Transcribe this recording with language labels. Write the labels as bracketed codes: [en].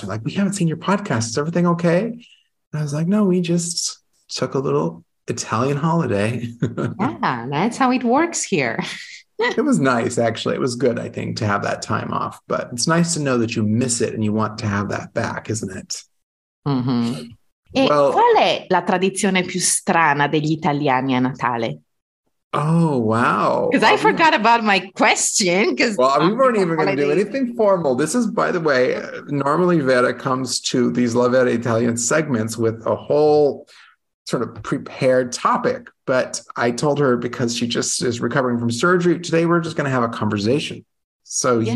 [en] They're like, we haven't seen your podcast. Is everything okay? And I was like, no, we just took a little Italian holiday. Yeah, that's how it works here. It was nice, actually. It was good, I think, to have that time off. But it's nice to know that you miss it and you want to have that back, isn't it? Mm-hmm. [it] E well, qual è la tradizione più strana degli italiani a Natale? [en] Oh, wow. Because I forgot about my question. Well, we weren't even going to do anything formal. This is, by the way, normally Vera comes to these La Vera Italian segments with a whole sort of prepared topic. But I told her because she just is recovering from surgery, today we're just going to have a conversation. So yes.